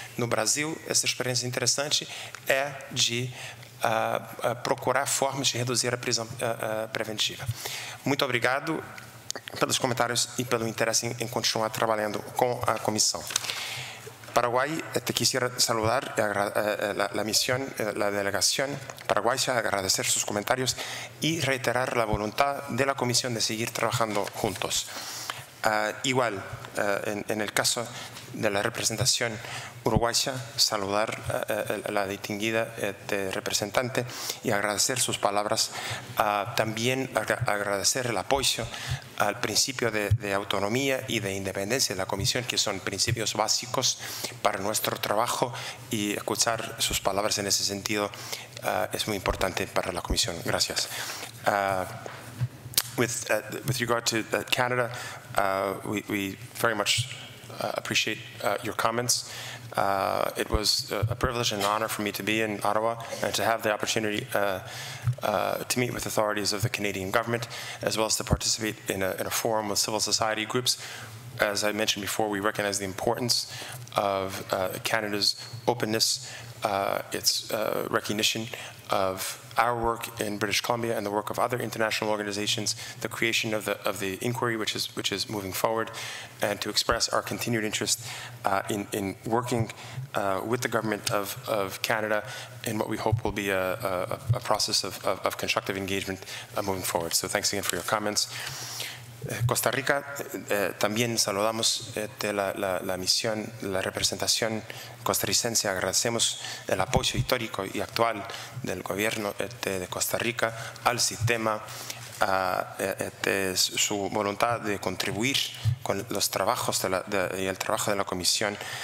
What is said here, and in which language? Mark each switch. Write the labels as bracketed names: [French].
[Portuguese] No Brasil, essa experiência interessante é de procurar formas de reduzir a prisão preventiva. Muito obrigado pelos comentários e pelo interesse em continuar trabalhando com a comissão. [Spanish] Paraguay, te quisiera saludar la misión, la delegación paraguaya, agradecer sus comentarios y reiterar la voluntad de la comisión de seguir trabajando juntos. Igual, en el caso de la representación uruguaya, saludar a la distinguida representante y agradecer sus palabras. También agradecer el apoyo al principio de autonomía y de independencia de la comisión, que son principios básicos para nuestro trabajo, y escuchar sus palabras en ese sentido es muy importante para la comisión. Gracias. [English] With regard to Canada, we very much appreciate your comments. It was a privilege and honor for me to be in Ottawa and to have the opportunity to meet with authorities of the Canadian government, as well as to participate in a forum with civil society groups. As I mentioned before, we recognize the importance of Canada's openness, its recognition of our work in British Columbia and the work of other international organizations, the creation of the inquiry, which is moving forward, and to express our continued interest in working with the government of Canada in what we hope will be a process of constructive engagement moving forward. So thanks again for your comments. [Spanish] Costa Rica, también saludamos la misión, la representación costarricense. Agradecemos el apoyo histórico y actual del gobierno de Costa Rica al sistema su voluntad de contribuir con los trabajos y el trabajo de la comisión.